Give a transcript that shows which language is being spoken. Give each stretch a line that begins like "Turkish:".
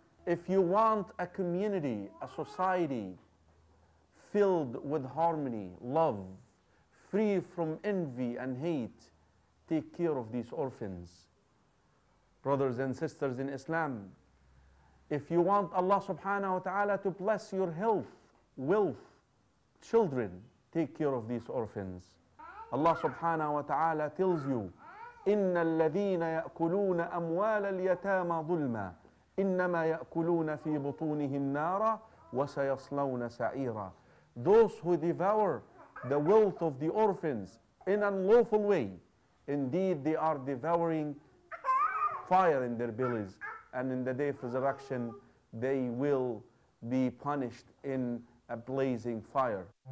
English: If you want a community, a society filled with harmony, love, free from envy and hate, take care of these orphans. Brothers and sisters in Islam, if you want Allah subhanahu wa ta'ala to bless your health, wealth, children, take care of these orphans. Allah subhanahu wa ta'ala tells you,
Arabic: إِنَّ الَّذِينَ يَأْكُلُونَ أَمْوَالَ الْيَتَامَ ظُلْمًا إِنَّمَا يَأْكُلُونَ فِي بُطُونِهِمْ نَارًا وَسَيَصْلَوْنَ سَعِيرًا.
English: Those who devour the wealth of the orphans in an unlawful way, indeed they are devouring fire in their bellies, and in the day of resurrection they will be punished in a blazing fire.